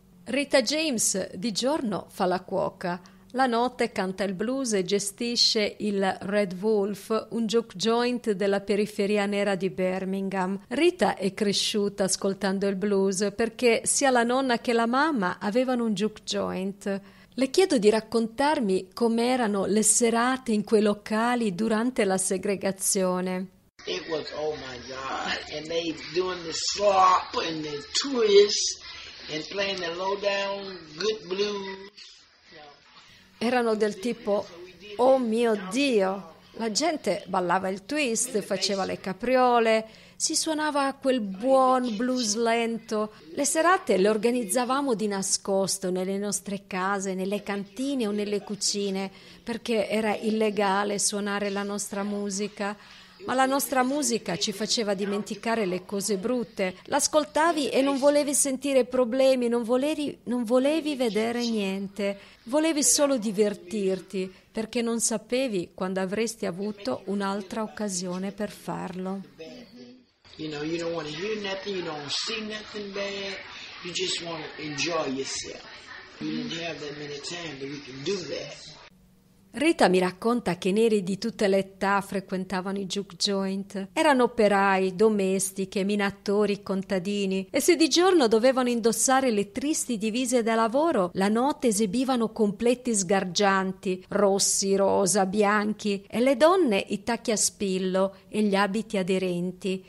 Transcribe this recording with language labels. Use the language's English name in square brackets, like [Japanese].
[Italian] Rita James di giorno fa la cuoca, la notte canta il blues e gestisce il Red Wolf, un juke joint della periferia nera di Birmingham. Rita è cresciuta ascoltando il blues perché sia la nonna che la mamma avevano un juke joint. Le chiedo di raccontarmi com'erano le serate in quei locali durante la segregazione. [English] It was, oh my God, and they doing the slop and the twist and playing the low down good blues. [Italian] Erano del tipo, oh mio Dio, la gente ballava il twist, faceva le capriole, si suonava quel buon blues lento. Le serate le organizzavamo di nascosto nelle nostre case, nelle cantine o nelle cucine, perché era illegale suonare la nostra musica. Ma la nostra musica ci faceva dimenticare le cose brutte. L'ascoltavi e non volevi sentire problemi, non volevi vedere niente. Volevi solo divertirti, perché non sapevi quando avresti avuto un'altra occasione per farlo. [English] You know, you don't want to hear nothing, you don't see nothing bad. You just want to enjoy yourself. You didn't have that many times that we can do that. [Italian] Rita mi racconta che neri di tutte le età frequentavano i juke joint. Erano operai, domestiche, minatori, contadini. E se di giorno dovevano indossare le tristi divise da lavoro, la notte esibivano completi sgargianti, rossi, rosa, bianchi, e le donne i tacchi a spillo e gli abiti aderenti.